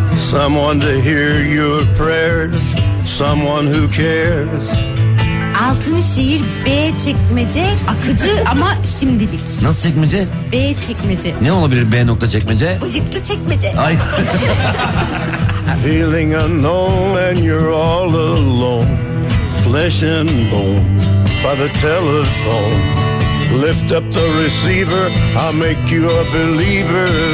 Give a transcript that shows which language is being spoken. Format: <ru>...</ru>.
<en>Someone to hear your prayers, someone who cares.</en> <tr>Altın şehir B çekmece, akıcı ama şimdilik. Nasıl çekmece? B çekmece. Ne olabilir B nokta çekmece? Bıyıklı çekmece. Ay.</tr> <en>Feeling unknown and you're all alone. Flesh and bone by the telephone. Lift up the receiver, I'll make you a believer.</en>